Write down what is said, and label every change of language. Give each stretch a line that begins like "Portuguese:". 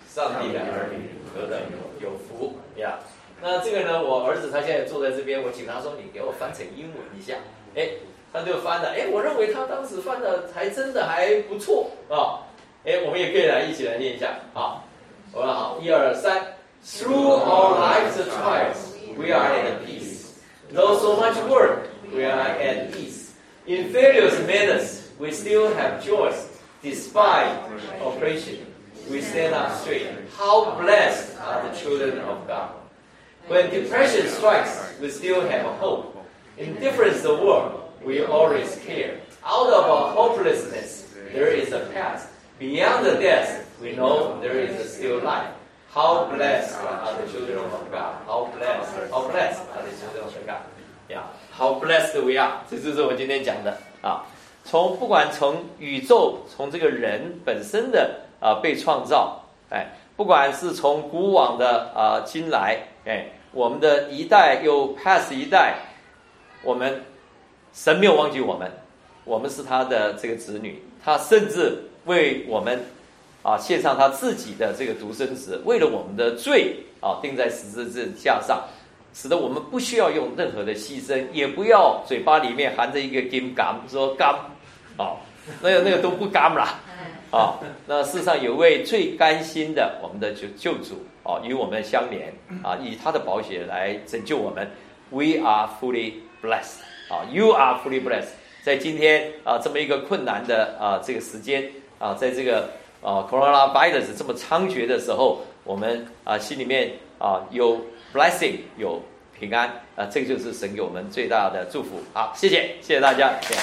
Chinese: 上帝的儿女何等有福呀！
English: Yeah。
Chinese: 那这个呢，我儿子他现在坐在这边，我请他说你给我翻成英文一下，哎，他就翻了，哎，我认为他当时翻的还真的还不错啊，哎，我们也可以来一起来念一下，好，我们好，一二三。
English: Through our life's trials we are at peace, though so much work we are at ease, in various manners we still have joys, despite oppression we stand up straight, how blessed are the children of GodWhen depression strikes, we still have a hope. Indifference the world, we always care. Out of our hopelessness, there is a path. Beyond the death, we know there is still life. How blessed are the children of God. How blessed are the children of God. Yeah, how blessed we are.
Chinese: 这就是我今天讲的啊。从不管从宇宙，从这个人本身的被创造，哎，不管是从古往的今来，哎，我们的一代又 pass 一代，我们神没有忘记我们，我们是他的这个子女，他甚至为我们献上他自己的这个独生子，为了我们的罪钉在十字架上，使得我们不需要用任何的牺牲，也不要嘴巴里面含着一个金甘说甘那个都不甘了那世上有位最甘心的我们的救主与我们相连以他的宝血来拯救我们。
English: We are fully blessed You are fully blessed。
Chinese: 在今天这么一个困难的这个时间在这个coronavirus 这么猖獗的时候，我们心里面有 blessing， 有平安这个就是神给我们最大的祝福。好，谢谢大家。